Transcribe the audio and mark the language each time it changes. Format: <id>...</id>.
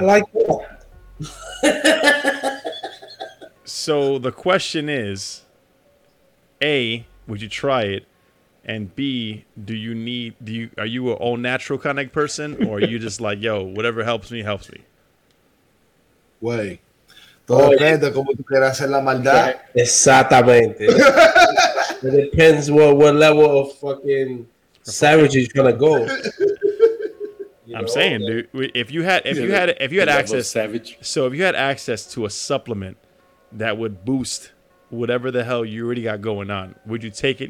<en>I like that. So the question is, A, would you try it? And B, are you an all natural kind of person, or are you just like, yo, whatever helps me? Wait.</en> <es>Todo depende como tú quieras hacer la maldad. Exactamente.</es> <en>It depends what level of fucking savage is gonna go. If you had access to a supplement that would boost whatever the hell you already got going on, would you take it?</en>